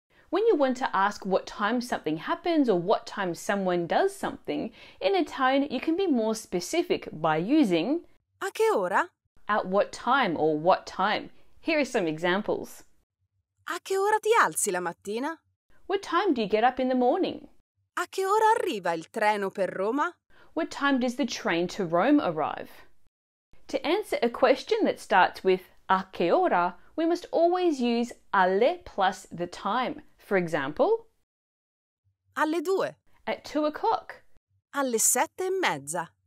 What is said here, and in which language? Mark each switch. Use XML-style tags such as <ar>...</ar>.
<en>When you want to ask what time something happens or what time someone does something, in Italian you can be more specific by using</en> <it>A che ora?</it> <en>At what time or what time. Here are some examples.</en> <it>A che ora ti alzi la mattina?</it> <en>What time do you get up in the morning?</en> <it>A che ora arriva il treno per Roma?</it> <en>What time does the train to Rome arrive? To answer a question that starts with a che ora, we must always use alle plus the time. For example,</en> <it>alle due.</it> <en>At 2 o'clock.</en> <it>Alle sette e mezza.</it>